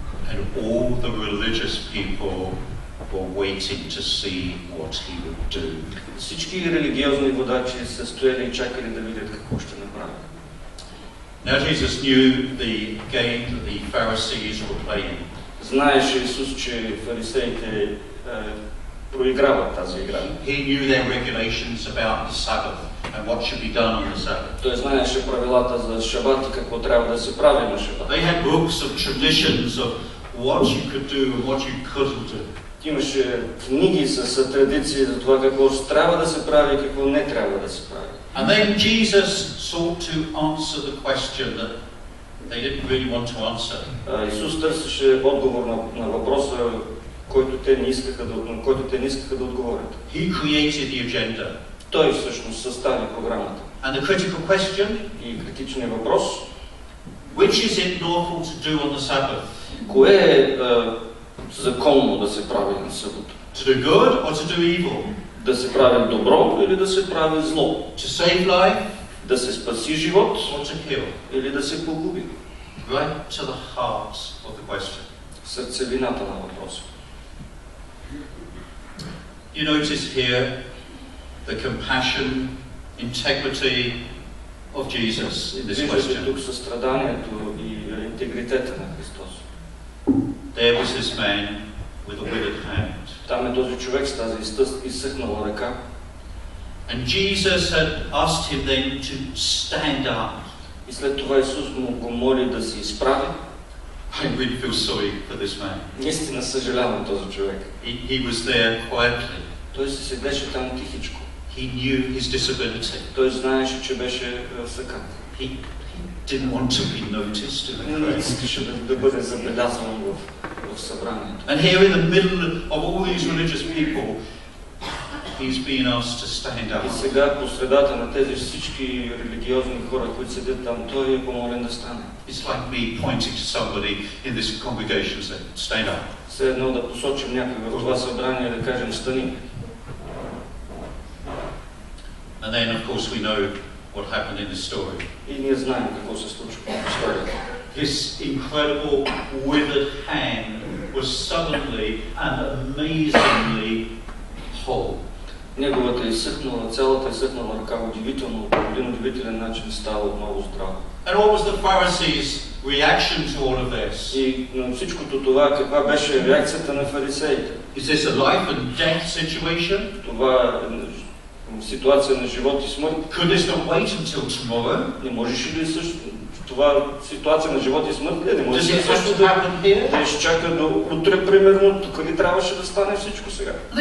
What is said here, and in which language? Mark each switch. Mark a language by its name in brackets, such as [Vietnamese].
[English] And all the religious people were waiting to see what he would do. [Bulgarian] Всички религиозни водачи са стояли и чакали да видят какво ще направи. [English] Now Jesus knew the game that the Pharisees were playing. [Bulgarian] Знаеше Исус, че фарисеите проиграват тази игра. [English] He knew their regulations about the Sabbath and what should be done on the Sabbath. [Bulgarian] Той знаеше правилата за шабат и какво трябва да се прави на шабат. [English] They had books of traditions of what you could do and what you couldn't do. [Bulgarian] Имаше книги с традиции за това какво трябва да се прави и какво не трябва да се прави. [English] And then Jesus sought to answer the question that they didn't really want to answer. [Bulgarian] Исус търсеше отговор на въпроса, който те не искаха да отговорят. [English] He created the agenda. [Bulgarian] Той всъщност състави програмата. [English] And the critical question? [Bulgarian] И критичният въпрос. [English] Which is it lawful to do on the Sabbath? [Bulgarian] Кое е законно да се прави на събота? [English] To do good or to do evil? [Bulgarian] Да се прави добро или да се прави зло? [English] To save life? [Bulgarian] Да се спаси живот? [English] Or to kill? [Bulgarian] Или да се погуби? [English] Right to the heart of the question. [Bulgarian] Сърцевината на въпроса. [English] You notice here the compassion, integrity of Jesus in this question. [Bulgarian] Виждате тук състраданието и интегритета на Христос. [English] There was this man with a withered hand. [Bulgarian] Там е този човек с тази изсъхнала ръка. [English] And Jesus had asked him then to stand up. [Bulgarian] И след това Исус му го моли да се изправи. [English] I really feel sorry for this man. [Bulgarian] Наистина съжалявам този човек. [English] He was there quietly. [Bulgarian] Той се седеше там тихичко. [English] He knew his disability. [Bulgarian] Той знаеше, че беше сакат. [English] Didn't want to be noticed in the crowd. And here in the middle of all these religious people, he's being asked to stand up. [Bulgarian] И сега посредата на тези всички религиозни хора, които седят там, той е помолен да стане. [English] It's like me pointing to somebody in this congregation and saying, stand up. [Bulgarian] Все едно да посочим някой в това събрание и да кажем, стани. [English] And then, of course, we know what happened in this story. [Bulgarian] И ние знаем какво се случва в историята. [English] This incredible withered hand was suddenly and amazingly whole. [Bulgarian] Неговата изсъхнала, цялата изсъхнала ръка удивително, по един удивителен начин става отново здрава. [English] And what was the Pharisees' reaction to all of this. [Bulgarian] И на всичкото това, каква беше реакцията на фарисеите? [English] Is this a life and death situation? [Bulgarian] Това е ситуация на живот и смърт. [English] Could this not wait until tomorrow? [Bulgarian] Не можеш ли също? Това ситуация на живот и смърт ли? Не можеш ли също да изчака до утре, примерно, тук ли трябваше да стане всичко сега?